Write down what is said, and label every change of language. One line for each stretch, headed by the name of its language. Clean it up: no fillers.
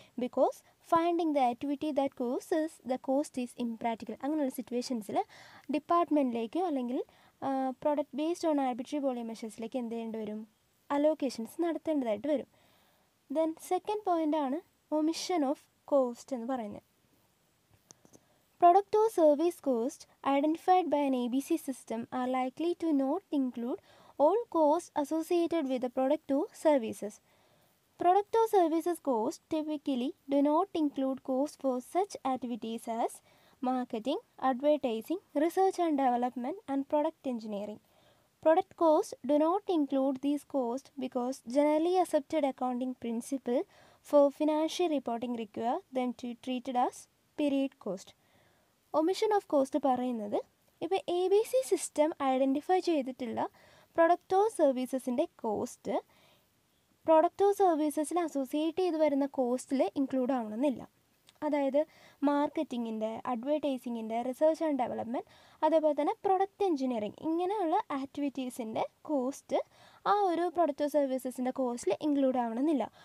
English: Because finding the activity that causes the cost is impractical.
Malayalam: അങ്ങനെയുള്ള സിറ്റുവേഷൻസിൽ ഡിപ്പാർട്ട്മെൻറ്റിലേക്കോ അല്ലെങ്കിൽ product based on arbitrary volume മെഷേഴ്സിലേക്ക് എന്ത് ചെയ്യേണ്ടി വരും, അലോക്കേഷൻസ് നടത്തേണ്ടതായിട്ട് വരും.
English: then second പോയിൻ്റാണ് omission of cost
Malayalam: എന്ന് പറയുന്നത്.
English: Product or service cost identified by an ABC system are likely to not include all costs associated with the product or services. Product or services cost typically do not include costs for such activities as marketing, advertising, research and development, and product engineering. Product costs do not include these costs because generally accepted accounting principle for financial reporting require them to be treated as period cost.
Malayalam: Omission of cost പറയുന്നത് ഇപ്പോൾ A B C system identify ചെയ്തിട്ടുള്ള പ്രൊഡക്റ്റോ സർവീസസിൻ്റെ cost പ്രൊഡക്റ്റോ സർവീസസിന് associate ചെയ്ത് വരുന്ന കോസ്റ്റിൽ include ആവണമെന്നില്ല. അതായത് മാർക്കറ്റിങ്ങിൻ്റെ, അഡ്വർടൈസിങ്ങിൻ്റെ, research and development, അതേപോലെ തന്നെ product engineering ഇങ്ങനെയുള്ള ആക്ടിവിറ്റീസിൻ്റെ കോസ്റ്റ് ആ ഒരു പ്രൊഡക്റ്റോ സർവീസസിൻ്റെ കോസ്റ്റിൽ ഇൻക്ലൂഡ് ആവണമെന്നില്ല.